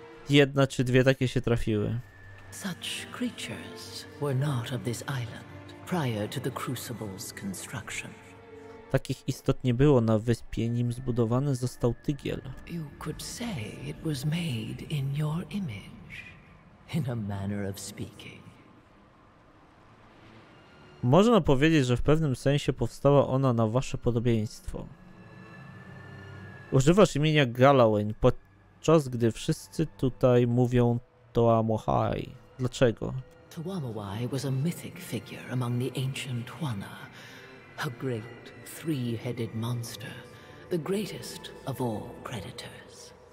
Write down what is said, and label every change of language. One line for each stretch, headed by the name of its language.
Polish: Jedna czy dwie takie się trafiły.
English: Such creatures were not of this island prior to the Crucible's construction.
Polish: Takich istot nie było na wyspie, nim zbudowany został Tygiel.
English: You could say it was made in your image, in a manner of speaking.
Polish: Można powiedzieć, że w pewnym sensie powstała ona na wasze podobieństwo. Używasz imienia Galloway, podczas gdy wszyscy tutaj mówią Toamohai. Dlaczego?
English: Toamohai was a mythic figure among the ancient Hwana, a great three-headed monster, the greatest of all predators.